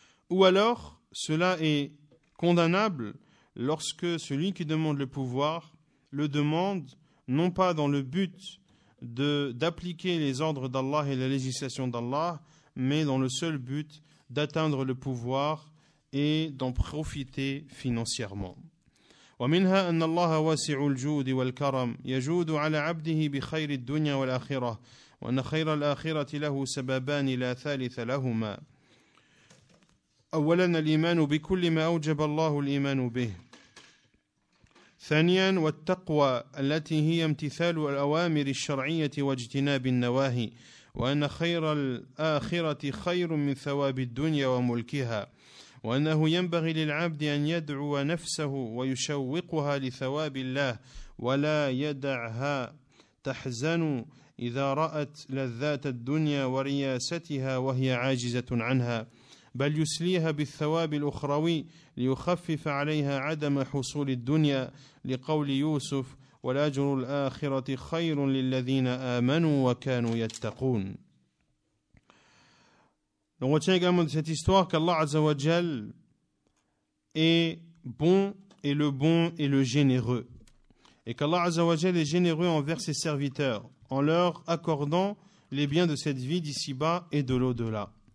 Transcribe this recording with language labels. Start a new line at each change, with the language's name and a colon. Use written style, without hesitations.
French: Ou alors, cela est condamnable lorsque celui qui demande le pouvoir le demande non pas dans le but d'appliquer les ordres d'Allah et la législation d'Allah, mais dans le seul but d'atteindre le pouvoir et d'en profiter financièrement.
Arabic: ومنها أن الله واسع الجود والكرم يجود على عبده بخير الدنيا والآخرة وأن خير الآخرة له سببان لا ثالث لهما. أولا الإيمان بكل ما أوجب الله الإيمان به. ثانيا والتقوى التي هي امتثال الأوامر الشرعية واجتناب النواهي وأن خير الآخرة خير من ثواب الدنيا وملكها، وأنه ينبغي للعبد أن يدعو نفسه ويشوقها لثواب الله، ولا يدعها تحزن إذا رأت لذات الدنيا ورياستها وهي عاجزة عنها، بل يسليها بالثواب الأخروي ليخفف عليها عدم حصول الدنيا، لقول يوسف: والأجر الآخرة خير للذين آمنوا وكانوا يتقون.
French: Donc, on tient également de cette histoire qu'Allah Azzawajal est bon, et le bon est le généreux. Et qu'Allah Azzawajal est généreux envers ses serviteurs, en leur accordant les biens de cette vie d'ici-bas et de l'au-delà.